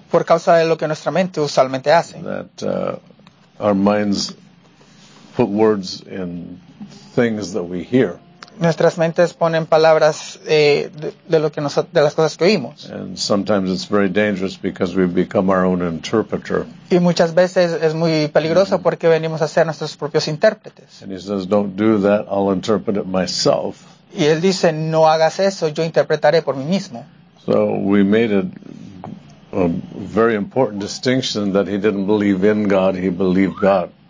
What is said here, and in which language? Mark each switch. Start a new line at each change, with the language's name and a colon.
Spanish: Por causa de lo que nuestra mente usualmente hace.
English: That our minds put words in things that we hear.
Spanish: Nuestras mentes ponen palabras de lo que de las cosas que oímos.
English: And sometimes it's very dangerous because we become our own interpreter.
Spanish: Y muchas veces es muy peligroso mm-hmm. porque venimos a ser nuestros propios intérpretes.
English: And he says, "Don't do that. I'll interpret it myself."
Spanish: Y él dice, no hagas eso, yo interpretaré por mí mismo.
English: So we made a very important distinction that he didn't believe in God, he believed God.